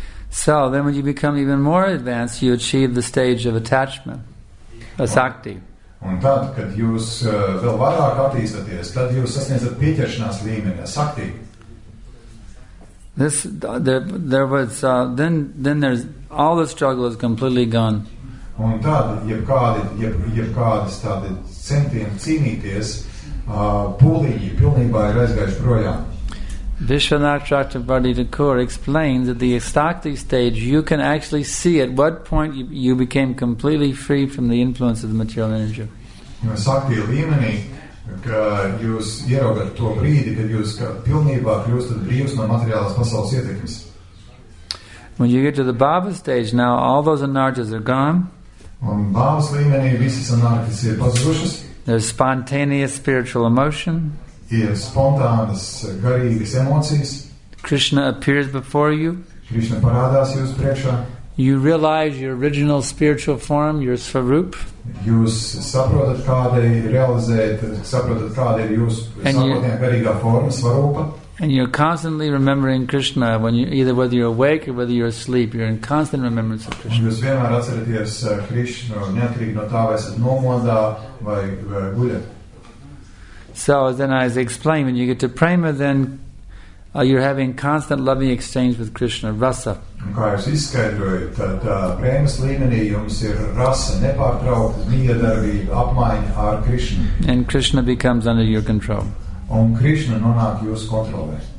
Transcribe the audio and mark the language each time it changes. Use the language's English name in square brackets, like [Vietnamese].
[English] So, then when you become even more advanced, you achieve the stage of attachment, asakti. [Latvian] Un tad, kad jūs vēl vairāk attīstaties, tad jūs sasniedzat pieķeršanās līmeni, asakti. [English] This there was then there's all the struggle is completely gone. [Latvian] Un tad jebkādas tādi centieni cīnīties, pūliņi pilnībā ir aizgājuši projām. [English] Vishvanatha Chakravarti Thakur explains that the astakti stage, you can actually see at what point you became completely free from the influence of the material energy. [Latvian] Astakti līmenī, ka jūs ieraugat to brīdi, kad jūs pilnībā kļūstat brīvs no materiālās pasaules ietekmes. [English] When you get to the bhava stage, now all those anarchas are gone. [Latvian] Un bhavas līmenī visas anarchas ir pazudušas. [English] There's spontaneous spiritual emotion. [Latvian] Ir spontānas garīgas emocijas. [English] Krishna appears before you. [Latvian] Krishna parādās jūs priekšā. [English] You realize your original spiritual form, your svarup. [Latvian] Jūs saprotat, kāda ir jūsu garīgā forma, svarupa. [English] And you're constantly remembering Krishna whether you're awake or whether you're asleep. You're in constant remembrance of Krishna. [Latvian] Jūs vienmēr atceraties Krishna, neatkarīgi no tā, vai esat nomodā vai guļat. [English] So, then as I explained, when you get to prema, then you're having constant loving exchange with Krishna, rasa. [Latvian] Un kā jūs izskaidrojat, tad prēmas līmenī jums ir rasa, nepārtrauktas, mīļadarbība, apmaiņa ar Krishna. [English] And Krishna becomes under your control. [Latvian] Un Krishna nonāk jūsu kontrolē.